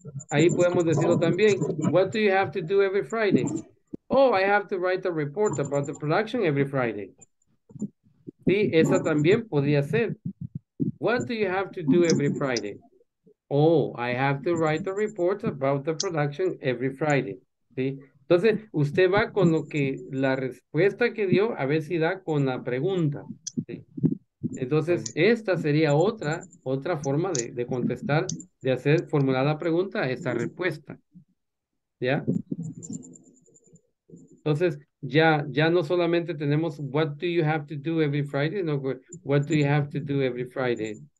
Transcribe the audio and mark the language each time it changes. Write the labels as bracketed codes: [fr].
[es] Ahí podemos decirlo también. [en] What do you have to do every Friday? Oh, I have to write a report about the production every Friday. [es] Sí, esa también podría ser. [en] What do you have to do every Friday? Oh, I have to write a report about the production every Friday. [es] Sí. Entonces, usted va con lo que la respuesta que dio, a ver si da con la pregunta. Sí. Entonces, esta sería otra forma de contestar, de hacer formular la pregunta, esta respuesta. ¿Ya? Entonces, ya no solamente tenemos [en] what do you have to do every Friday, no, what do you have to do every Friday.